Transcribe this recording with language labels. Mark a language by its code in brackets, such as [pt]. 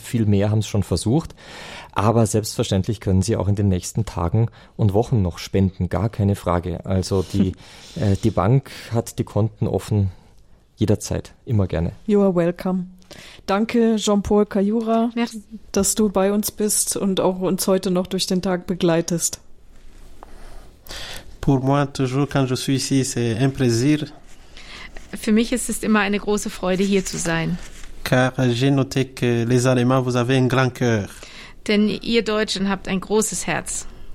[de] Viel mehr haben es schon versucht. Aber selbstverständlich können Sie auch in den nächsten Tagen und Wochen noch spenden. Gar keine Frage. Also die Bank hat die Konten offen. Jederzeit. Immer gerne. [en] You are welcome. [de] Danke, Jean-Paul Kayura, dass du bei uns bist und auch uns heute noch durch den Tag begleitest. [fr] Pour moi, toujours, quand je suis ici, c'est un plaisir. [de] Für mich ist es immer eine große Freude, hier zu sein. [fr] Car j'ai noté que les Allemands, vous avez un grand cœur. [de] Denn ihr Deutschen habt ein großes Herz.